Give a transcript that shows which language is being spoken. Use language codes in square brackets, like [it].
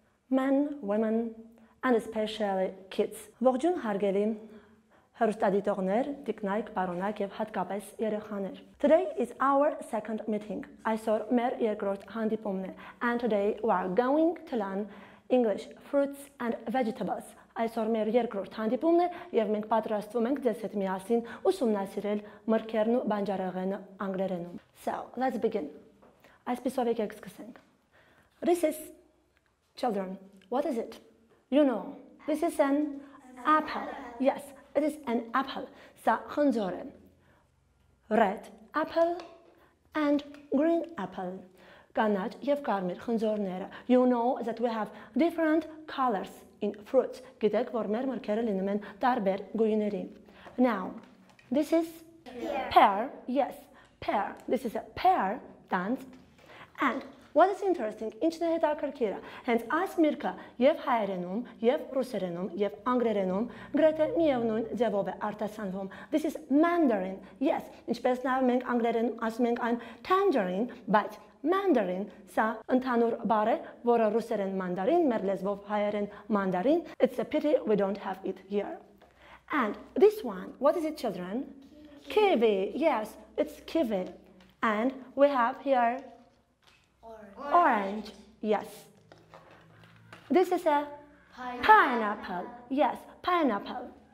[en] Men, women, and especially kids. [hy] Ողջույն հարգելի հեռուստադիտողներ, տիկնայք, պարոնակ եւ հատկապես երեխաներ. [en] Today is our second meeting. I saw [hy] մեր երկրորդ հանդիպումն է. [en] And today we are going to learn English fruits and vegetables. I saw [hy] մեր երկրորդ հանդիպումն է եւ մենք պատրաստվում ենք ձեզ հետ միասին ուսումնասիրել մրգերն ու բանջարեղենը անգլերենում. [en] So, let's begin. [hy] Այսպիսով եկեք սկսենք. [en] This is, children, what is it? You know, this is an apple. Yes, it is an apple. [hy] Սա խնձոր է. [en] Red apple and green apple. [hy] Կանաչ և կարմիր խնձորները. [en] You know that we have different colors in fruits. [hy] Գիտեք, որ մեր մրգերը լինում են տարբեր գույների. [en] Now, this is pear. Yes, pear. This is a pear dance and what is interesting, [hy] ինչն է հետաքրքիրը, հենց այս միրգը եւ հայերենում, եւ ռուսերենում, եւ անգլերենում գրեթե միևնույն ձևով է արտասանվում. [en] This is mandarin. Yes, [hy] ինչպես նաեւ մենք անգլերենում ասում ենք այն tangerine, but mandarin սա ընդհանուր բառ է, որը ռուսերեն mandarin, մեր լեզվով հայերեն mandarin. [en] It's a pity we don't have it here. And this one, what is it, children? Kiwi. Yes, it's kiwi. And we have here orange, yes. This is a pineapple. Yes, pineapple.